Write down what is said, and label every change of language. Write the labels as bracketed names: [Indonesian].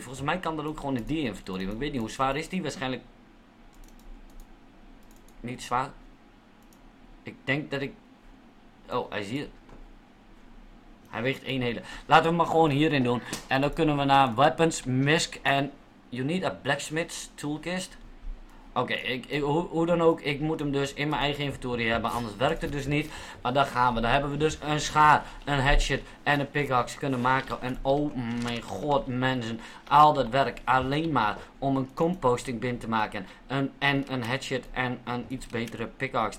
[Dutch] Volgens mij kan dat ook gewoon in die inventory, want ik weet niet hoe zwaar is die. Waarschijnlijk niet zwaar. Ik denk dat ik... Oh, hij is hier. Hij weegt 1 hele. Laten we hem maar gewoon hierin doen. En dan kunnen we naar weapons, misc en... [English] You need a blacksmith's toolkist. [Dutch] Oké, hoe dan ook. Ik moet hem dus in mijn eigen inventory hebben. Anders werkt het dus niet. Maar daar gaan we. Dan hebben we dus een schaar, een hatchet en een pickaxe kunnen maken. En oh mijn god, mensen. Al dat werk alleen maar om een composting bin te maken. En een hatchet en een iets betere pickaxe.